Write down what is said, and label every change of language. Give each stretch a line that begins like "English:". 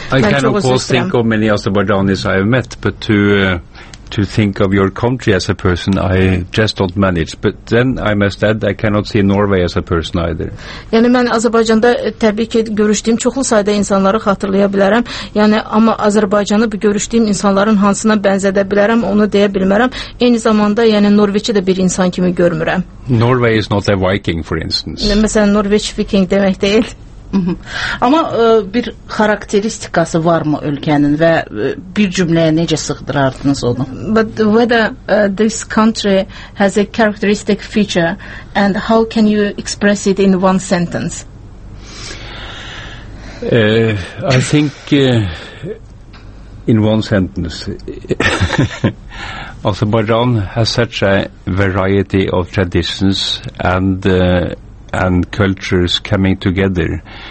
English: I can of course think of many Azerbaijanis I've met, but to think of your country as a person, I just don't manage. But then I must add, I cannot see Norway as a person either.
Azerbaijani: Yəni, mən Azərbaycanda təbii ki, görüşdüyüm çoxlu sayda insanları xatırlaya bilərəm. Yəni, amma Azərbaycanı görüşdüyüm insanların hansına bənzədə bilərəm, onu deyə bilmərəm. Eyni zamanda, yəni, Norveçi də bir insan kimi görmürəm.
English: Norway is not a Viking, for instance.
Azerbaijani: Məsələn, Norveç Viking demək deyil. Amma bir xarakteristikası var mı ölkənin və bir cümləyə necə sığdırardınız onu?
English: But whether this country has a characteristic feature and how can you express it in one sentence? I think in one sentence Azerbaijan has such a variety of traditions and cultures coming together.